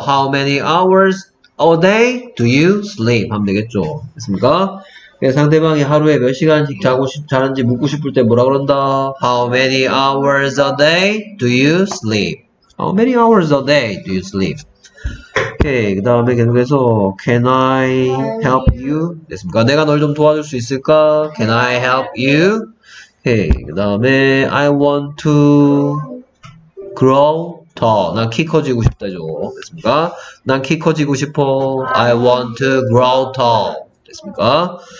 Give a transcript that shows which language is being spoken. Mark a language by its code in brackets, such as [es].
[en] How many hours a day do you sleep? [ko] 하면 되겠죠. 됐습니까? 상대방이 하루에 몇 시간씩 자고 자는지 묻고 싶을 때 뭐라 그런다? [en] How many hours a day do you sleep? How many hours a day do you sleep? [ko] 오케이. 그 다음에 계속해서 [en] Can I help you? [ko] 됐습니까? 내가 널 좀 도와줄 수 있을까? [en] Can I help you? [ko] 오케이. 그 다음에 [en] I want to grow. [ko] 난 키 커지고 싶다죠. 됐습니까? 난 키 커지고 싶어. [en] I want to grow tall. [ko] 됐습니까?